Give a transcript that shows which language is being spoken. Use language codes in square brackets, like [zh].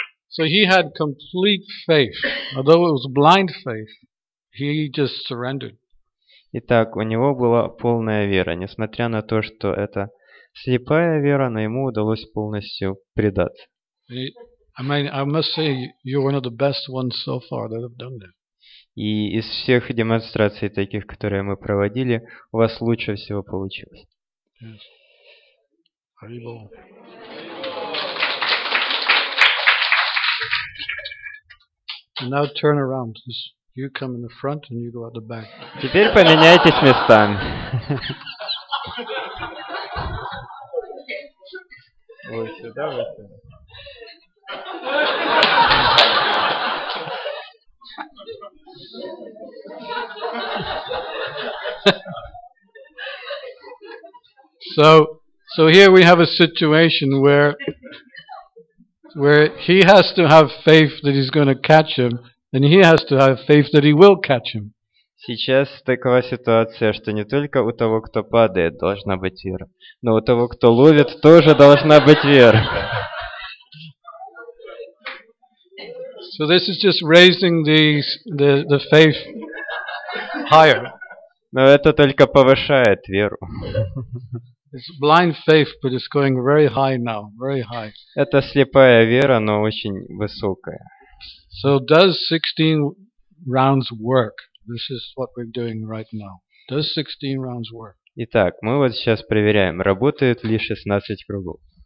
[en] So he had complete faith. Although it was blind faith, he just surrendered. [ru] Итак, у него была полная вера, несмотря на то, что это слепая вера, но ему удалось полностью предаться. [en] I must say you're one of the best ones so far that have done that. [ru] И из всех демонстраций таких, которые мы проводили, у вас лучше всего получилось. [en] Yes. And now turn around. You come in the front and you go out the back. [ru] Теперь поменяйтесь местами. Вот сюда, вот сюда. [en] So here we have a situation where he has to have faith that he's going to catch him, and he has to have faith that he will catch him. [ru] Сейчас такова ситуация, что не только у того, кто падает, должна быть вера, но у того, кто ловит, тоже должна быть вера. [en] So this is just raising the faith higher. [ru] Но это только повышает веру. [en] It's blind faith, but it's going very high now, very high. [ru] Это слепая вера, но очень высокая. [en] So does 16 rounds work? This is what we're doing right now. Does 16 rounds work? [ru] Итак, мы вот сейчас проверяем, работают ли 16 кругов.